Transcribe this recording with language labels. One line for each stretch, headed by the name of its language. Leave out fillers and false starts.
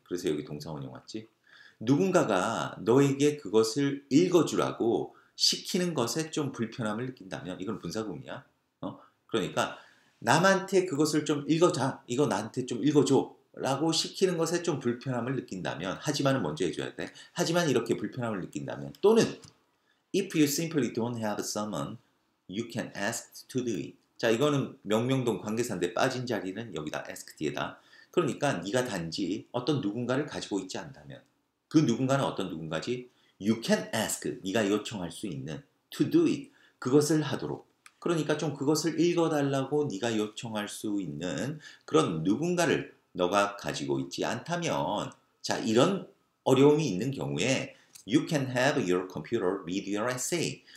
Korean: 그래서 여기 동사원용 왔지? 누군가가 너에게 그것을 읽어주라고 시키는 것에 좀 불편함을 느낀다면 이건 분사구문이야. 그러니까 남한테 그것을 좀 읽어자. 이거 나한테 좀 읽어줘. 라고 시키는 것에 좀 불편함을 느낀다면 하지만은 먼저 해줘야 돼. 하지만 이렇게 불편함을 느낀다면 또는
English: If you simply don't have someone, you can ask to do it.
Korean: 자, 이거는 명령동 관계사인데 빠진 자리는 여기다 ask 뒤에다. 그러니까 네가 단지 어떤 누군가를 가지고 있지 않다면 그 누군가는 어떤 누군가지?
English: You can ask,
Korean: 네가 요청할 수 있는
English: to do it,
Korean: 그것을 하도록. 그러니까 좀 그것을 읽어달라고 네가 요청할 수 있는 그런 누군가를 너가 가지고 있지 않다면 자, 이런 어려움이 있는 경우에
English: You can have your computer read your essay.